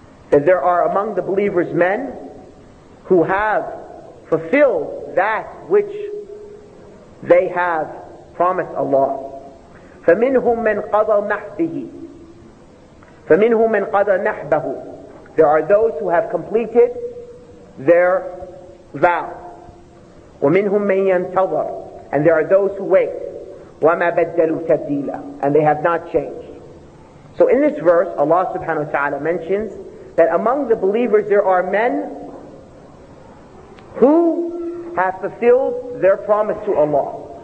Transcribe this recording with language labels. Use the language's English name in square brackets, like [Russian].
[English] There are among the believers men who have fulfilled that which they have promised Allah. [Arabic] فمنهم من قضى نحبه فمنهم من قضى نحبه. [English] There are those who have completed their vow. [Arabic] ومنهم من ينتظر. [English] And there are those who wait. [Arabic] وَمَا بَدَّلُوا تَبْدِيلًا. [English] And they have not changed. So in this verse, Allah subhanahu wa ta'ala mentions that among the believers there are men who have fulfilled their promise to Allah.